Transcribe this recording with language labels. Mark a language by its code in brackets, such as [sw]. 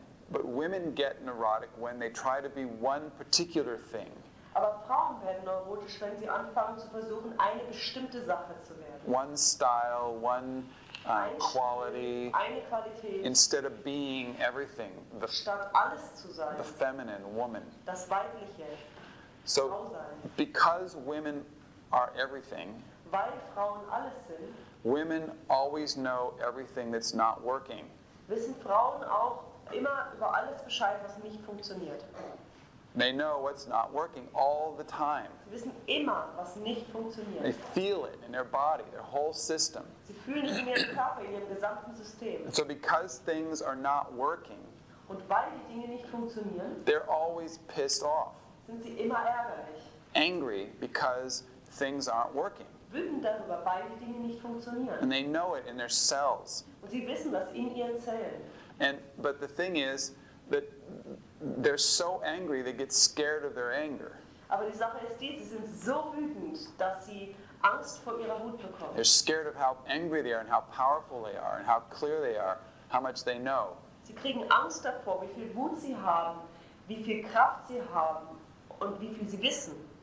[en] But women get neurotic when they try to be one particular thing. [de] Aber Frauen werden neurotisch, wenn sie anfangen zu versuchen, eine bestimmte Sache zu werden. [en] One style, one quality. [de] Eine Qualität. [en] Instead of being everything. [de] Statt alles zu sein. [en] The feminine, woman. [de] Das Weibliche. [en] So, because women are everything. [de] Weil Frauen alles sind, [en] women always know everything that's not working. [de] Wissen Frauen auch immer über alles Bescheid, was nicht funktioniert. [en] They know what's not working all the time. [de] Sie wissen immer, was nicht funktioniert. [en] They feel it in their body, their whole system. [de] Sie fühlen es in ihrem Körper, in ihrem gesamten System. [en] So because things are not working, [de] und weil die Dinge nicht funktionieren, [en] they're always pissed off. [de] Sind sie immer ärgerlich. [en] Angry because things aren't working. [de] wütend darüber, weil die Dinge nicht funktionieren. [en] And they know it in their cells. [de] Und sie wissen das in ihren Zellen. [en] But the thing is that they're so angry they get scared of their anger. [de] Aber die Sache ist die, sie sind so wütend, dass sie Angst vor ihrer Wut bekommen. [en] They're scared of how angry they are and how powerful they are and how clear they are, how much they know. [de] Sie kriegen Angst davor, wie viel Wut sie haben, wie viel Kraft sie haben und wie viel sie wissen.